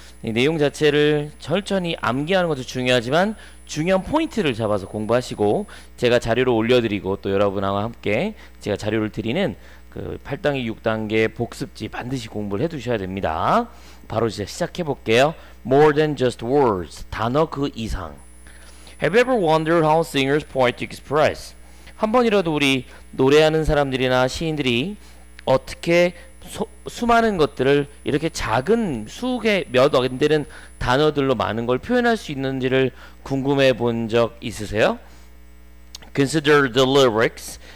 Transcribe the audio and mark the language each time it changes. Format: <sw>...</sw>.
<ko>이 내용 자체를 철저히 암기하는 것도 중요하지만 중요한 포인트를 잡아서 공부하시고 제가 자료로 올려드리고 또 여러분과 함께 제가 자료를 드리는 그 8단계 6단계 복습지 반드시 공부를 해두셔야 됩니다. 바로 이제 시작해 볼게요.</ko> <en>More than just words.</en> <ko>단어 그 이상.</ko> <en>Have you ever wondered how singers poetic express?</en> <ko>한 번이라도 우리 노래하는 사람들이나 시인들이 어떻게 수많은 것들을 이렇게 작은 수개 몇 안 되는 단어들로 많은 걸 표현할 수 있는지를 궁금해 본 적 있으세요?</ko> <en>Consider the lyrics.</en>